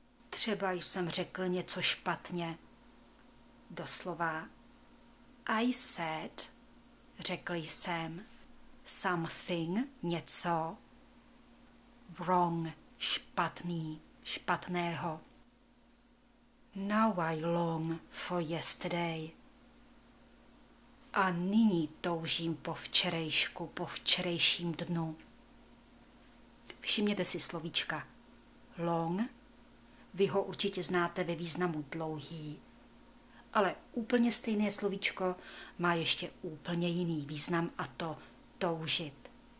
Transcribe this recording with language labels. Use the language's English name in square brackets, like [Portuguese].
[Czech] Třeba jsem řekl něco špatně. Doslova, [English] I said, [Czech] řekl jsem, something, něco, wrong, špatný, špatného. [English] Now I long for yesterday. [Czech] A nyní toužím po včerejšku, po včerejším dnu. Všimněte si slovíčka long. Vy ho určitě znáte ve významu dlouhý. Ale úplně stejné slovíčko má ještě úplně jiný význam, a to toužit.